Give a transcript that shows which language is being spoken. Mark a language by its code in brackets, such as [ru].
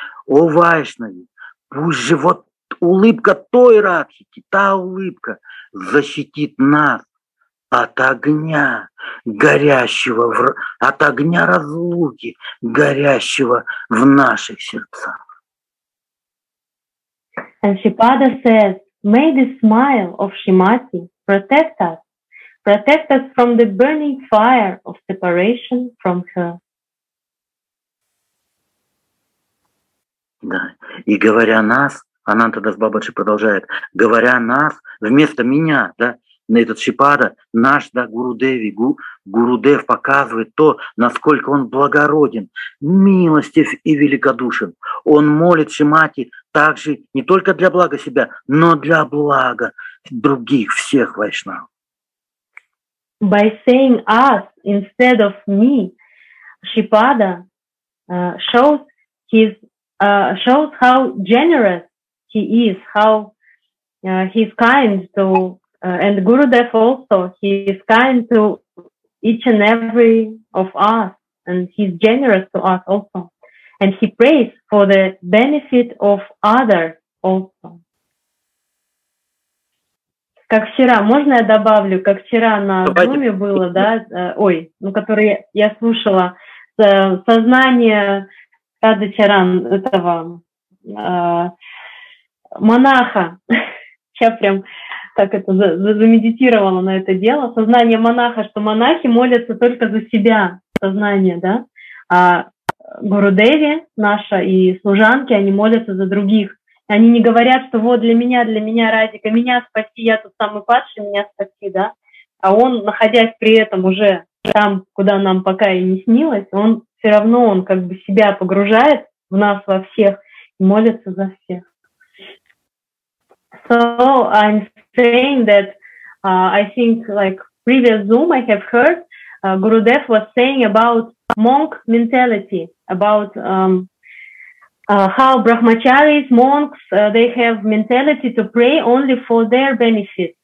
[ru] О вайшнави, пусть же вот улыбка той радхики, та улыбка защитит нас от огня горящего, от огня разлуки, горящего в наших сердцах. [en] And Shipada says, may the smile of Shrimati protect us from the burning fire of separation from her. [ru] Да, и говоря нас, Анантадас Бабаджи продолжает, говоря нас, вместо меня, да, на этот Шипада, наш, да, Гурудеви, Гурудев показывает то, насколько он благороден, милостив и великодушен. Он молит Шримати также не только для блага себя, но для блага других всех вайшнав. [en] By saying us instead of me, Шипада shows how generous he is, how he's kind to and Gurudev also, he is kind to each and every of us, and he's generous to us also. And he prays for the benefit of others also. [ru] Как вчера, можно я добавлю, как вчера на Думе было, да, ой, ну, который я слушала, сознание Радхачаран этого монаха, я прям так это замедитировала на это дело, сознание монаха, что монахи молятся только за себя, сознание, да, а Гурудеви наша и служанки, они молятся за других, они не говорят, что вот для меня, Радика, меня спаси, я тут самый падший, меня спаси, да, а он, находясь при этом уже там, куда нам пока и не снилось, он все равно, он как бы себя погружает в нас во всех и молится за всех. [en] So I'm saying that I think, like, previous Zoom I have heard Gurudev was saying about monk mentality, about how brahmacharis, monks, they have mentality to pray only for their benefit.